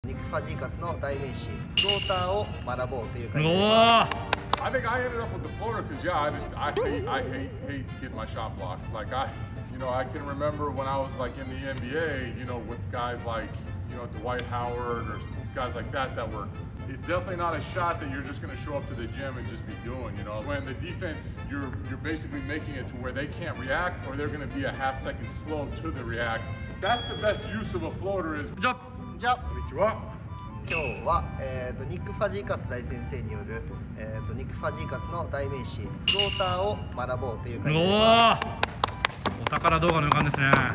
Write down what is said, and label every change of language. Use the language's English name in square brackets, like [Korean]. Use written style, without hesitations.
[Japanese] ファジーカスの代名詞フローターを学ぼうという感じです。 [English] I think I ended up with the floater because, yeah, I just, I hate getting my shot blocked. Like, I can remember when I was, like, in the NBA, you know, with guys like, you know, Dwight Howard or guys like that, that were, it's definitely not a shot that you're just going to show up to the gym and just be doing, you know. When the defense, you're basically making it to where they can't react or they're going to be a half second slow to the react. That's the best use of a floater is... Jump! Jump! Meet you up. [Japanese] 今日は、ニック・ファジーカス大先生による、ニック・ファジーカスの代名詞フローターを学ぼうという感じです。おお、お宝動画の予感ですね。